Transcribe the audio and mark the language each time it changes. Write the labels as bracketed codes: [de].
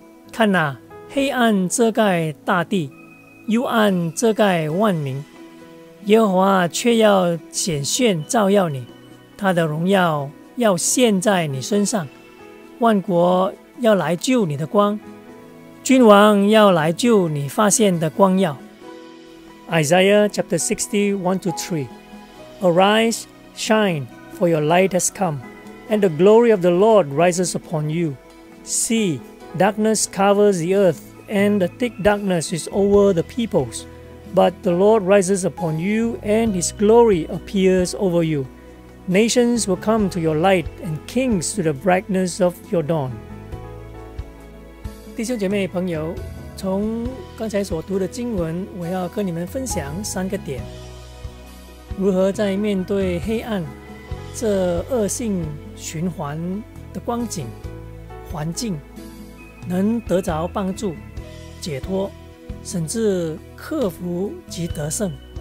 [zh] 看哪，黑暗遮盖大地，幽暗遮盖万民，耶和华却要显现照耀你，他的荣耀要现在你身上，万国要来救你的光，君王要来救你发现的光耀。 [en] Isaiah chapter 61-3， Arise, shine, for your light has come, and the glory of the Lord rises upon you. See, darkness covers the earth, and the thick darkness is over the peoples. But the Lord rises upon you, and his glory appears over you. Nations will come to your light, and kings to the brightness of your dawn. [zh] 弟兄姐妹朋友，从刚才所读的经文，我要跟你们分享三个点。如何在面对黑暗这恶性循环的光景环境能得着帮助解脱，甚至克服及得胜。